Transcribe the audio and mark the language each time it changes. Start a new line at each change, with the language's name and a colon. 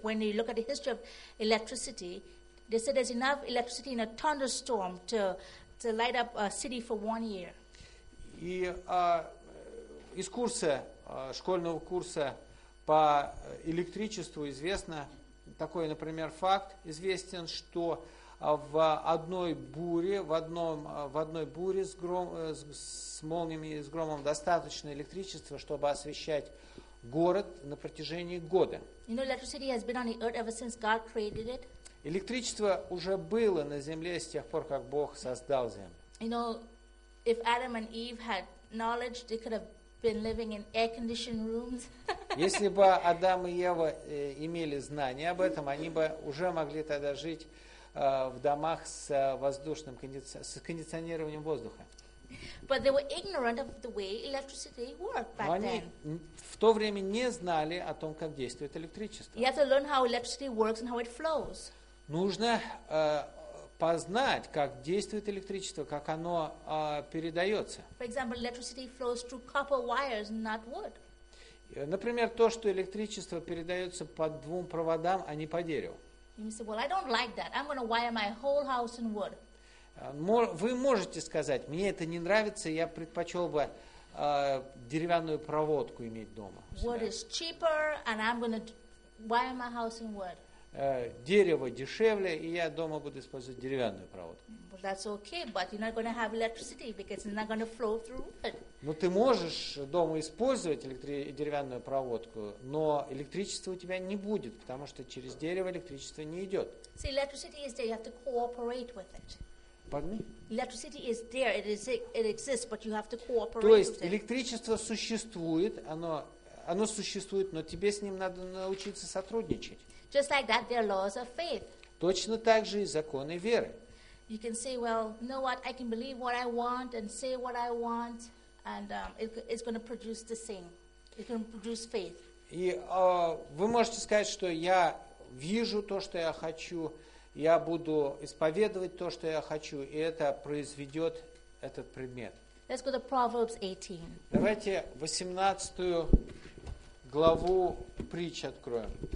English: When you look at the history of electricity, they said there's enough electricity in a thunderstorm to light up a city for 1 year.
Russian: И из курса школьного курса по электричеству известно такой, например, факт известен, что в одной буре с молниями и с громом достаточно электричества, чтобы освещать город на протяжении года.
English: You know, electricity has been on the earth ever since God created it.
Russian: Электричество уже было на земле с тех пор, как Бог создал землю.
English: You know, if Adam and Eve had knowledge, they could have been living in air-conditioned rooms.
Russian: Если бы Адам и Ева имели знания об этом, они бы уже могли тогда жить в домах с кондиционированием воздуха.
English: But they were ignorant of the way electricity worked back then.
Russian: В то время не знали о том, как действует электричество.
English: You have to learn how electricity works and how it flows.
Russian: Нужно познать, как действует электричество, как оно передается.
English: For example, electricity flows through copper wires, not wood.
Russian: Например, то, что электричество передается по двум проводам, а не по дереву.
English: You say, well, I don't like that. I'm going to wire my whole house in wood.
Russian: Вы можете сказать, мне это не нравится, я предпочел бы деревянную проводку иметь дома.
English: Wood is cheaper, and I'm going to wire my house in wood.
Russian: Дерево дешевле, и я дома буду использовать деревянную проводку.
English: Well, that's okay, but you're not going to have electricity because it's not going to flow through wood.
Russian: Но ты можешь дома использовать деревянную проводку, но электричества у тебя не будет, потому что через дерево электричество не идет.
English: See, electricity is there, you have to cooperate with it. Electricity is there, it exists, but you have to cooperate with it.
Russian: То есть электричество существует, оно существует, но тебе с ним надо научиться сотрудничать.
English: Just like that, there are laws of faith.
Russian: Точно так же и законы веры.
English: You can say, well, you know what, I can believe what I want and say what I want, and it's going to produce the same. It can produce faith.
Russian: И вы можете сказать, что я вижу то, что я хочу, я буду исповедовать то, что я хочу, и это произведет этот предмет.
English: Let's go to Proverbs 18.
Russian: Давайте 18 главу притч откроем.